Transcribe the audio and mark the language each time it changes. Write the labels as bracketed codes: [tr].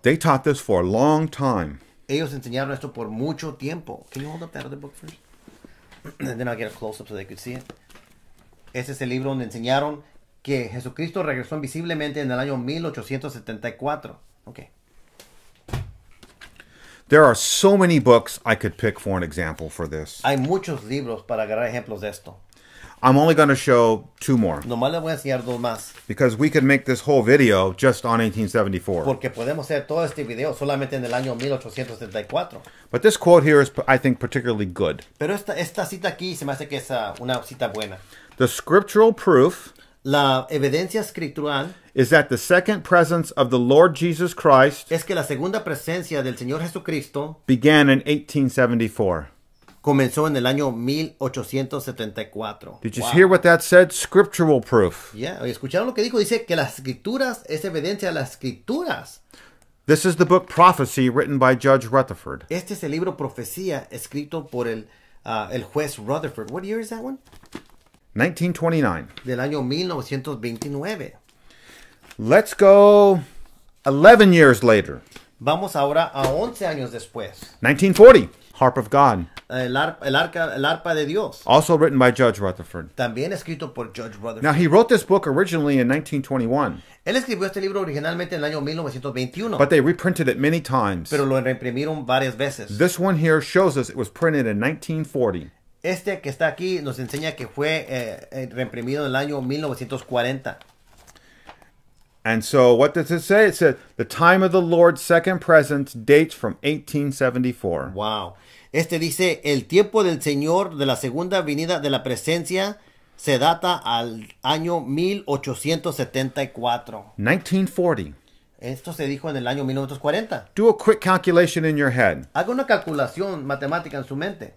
[en] They taught this for a long time. [es] Ellos enseñaron esto por mucho tiempo. [en] Can you hold up that other book first? And then I'll get a close-up so they could see it. [es] Ese es el libro donde enseñaron que Jesucristo regresó invisiblemente en el año 1874. [en] Okay. There are so many books I could pick for an example for this. [es] Hay muchos libros para agarrar ejemplos de esto. [en] I'm only going to show two more. [es] Nomás les voy a enseñar dos más. [en] Because we could make this whole video just on 1874. [es] Porque podemos hacer todo este video solamente en el año 1874. [en] But this quote here is, I think, particularly good. [es] Pero esta cita aquí se me hace que es una cita buena. [en] The scriptural proof, [es] la evidencia escritural, [en] is that the second presence of the Lord Jesus Christ, [es] es que la segunda presencia del Señor Jesucristo, [en] began in 1874. [es] Comenzó en el año 1874. [en] Did you hear what that said? Scriptural proof. [es] Yeah, ¿escucharon lo que dijo? Dice que las escrituras es evidencia de las escrituras. [en] This is the book Prophecy written by Judge Rutherford. [es] Este es el libro Profecía escrito por el juez Rutherford. [en] What year is that one? 1929. [es] Del año 1929. [en] Let's go 11 years later. [es] Vamos ahora a 11 años después. [en] 1940. Harp of God. [es] El arpa de Dios. [en] Also written by Judge Rutherford. [es] También escrito por Judge Rutherford. [en] Now, he wrote this book originally in 1921. [es] Él escribió este libro originalmente en el año 1921. [en] But they reprinted it many times. [es] Pero lo reimprimieron varias veces. [en] This one here shows us it was printed in 1940. [es] Este que está aquí nos enseña que fue reimprimido en el año 1940. [en] And so, what does it say? It said, the time of the Lord's second presence dates from 1874. Wow. [es] Este dice, el tiempo del Señor de la segunda venida de la presencia se data al año 1874. [en] 1940. [es] Esto se dijo en el año 1940. [en] Do a quick calculation in your head. [es] Haga una calculación matemática en su mente.